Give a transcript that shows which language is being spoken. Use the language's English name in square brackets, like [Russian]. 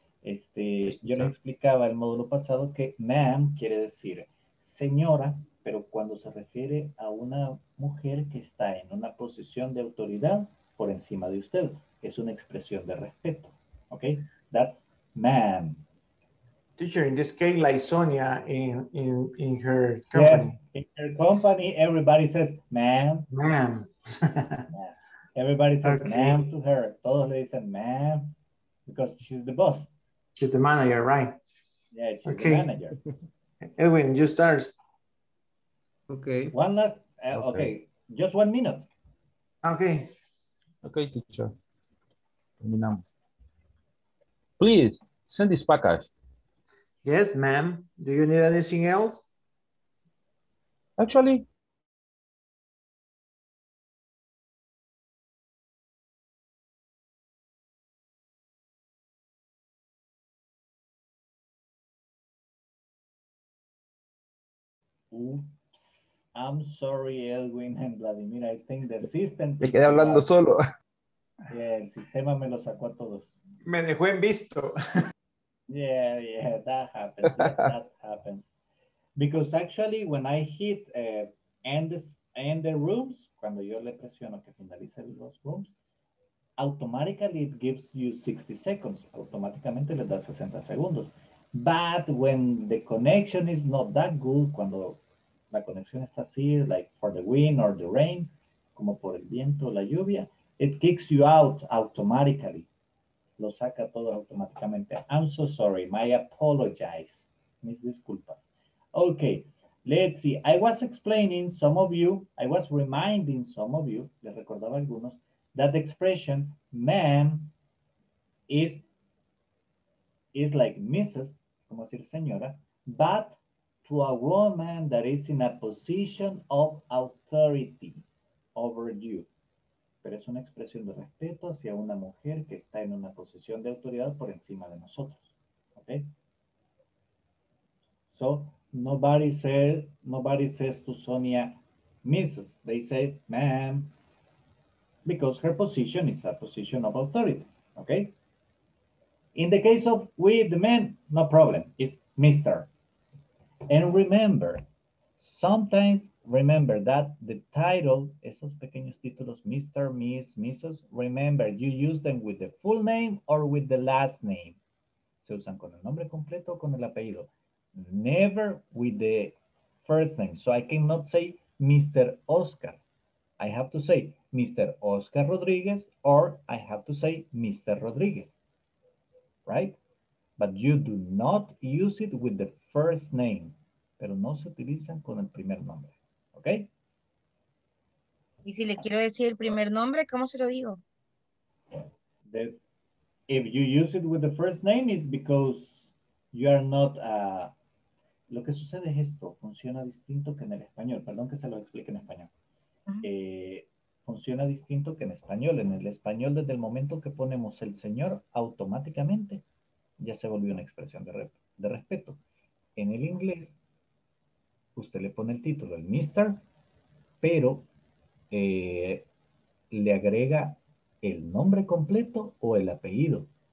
[Spanish] Yo le explicaba el módulo pasado que ma'am quiere decir señora, pero cuando se refiere a una mujer que está en una posición de autoridad por encima de usted, es una expresión de respeto, ¿ok? [English] That's ma'am. Teacher, in this case, like Sonia in her company. Yeah, in her company, everybody says, ma'am. Ma'am. Everybody says ma'am to her. [Spanish] Todos le dicen [English] ma'am because she's the boss. She's the manager, right? Yeah, she's okay. The manager. Edwin, you start. Okay. One last, okay. Just 1 minute. Okay. Okay, teacher. [Spanish] Terminamos. [English] Please, send this package. Yes, ma'am. Do you need anything else? Actually. Oops. I'm sorry, Edwin and Vladimir. I think the system... [Spanish] Me quedé hablando solo. Yeah, el sistema me lo sacó a todos. Me dejó en visto. [English] Yeah, that happens. Because actually, when I hit end the rooms, [Spanish] cuando yo le presiono que finalice los rooms, [English] automatically it gives you 60 seconds. [Spanish] Automáticamente le da 60 segundos. [English] But when the connection is not that good, [Spanish] cuando la conexión está así, [English] like for the wind or the rain, [Spanish] como por el viento o la lluvia, [English] it kicks you out automatically. [Spanish] Lo saca todo automáticamente. [English] I'm so sorry. My apologize. [Spanish] Mis disculpas. [English] Okay. Let's see. I was explaining some of you. I was reminding some of you. [Spanish] Les recordaba algunos. [English] That the expression man is like Mrs. [Spanish] Como decir señora. [English] But to a woman that is in a position of authority over you. [Spanish] Pero es una expresión de respeto hacia una mujer que está en una posición de autoridad por encima de nosotros. [English] Okay? So, nobody says to Sonia, Mrs. They say, ma'am, because her position is a position of authority. Okay? In the case of we, the men, no problem. It's Mr. And remember, sometimes, remember that the title, [Spanish] esos pequeños títulos, [English] Mr., Miss, Mrs., remember, you use them with the full name or with the last name. [Spanish] Se usan con el nombre completo o con el apellido. [English] Never with the first name. So I cannot say Mr. Oscar. I have to say Mr. Oscar Rodriguez, or I have to say Mr. Rodriguez. Right? But you do not use it with the first name. [Spanish] Pero no se utilizan con el primer nombre. [English] Okay. [Spanish] Y si le quiero decir el primer nombre, ¿cómo se lo digo? [English] If you use it with the first name, is because you are not. [Spanish] Lo que sucede es esto, funciona distinto que en el español. Perdón que se lo explique en español. Uh-huh. Funciona distinto que en español. En el español, desde el momento que ponemos el señor, automáticamente ya se volvió una expresión de respeto. En el inglés, usted le pone el título, el Mr., pero le agrega el nombre completo o el apellido.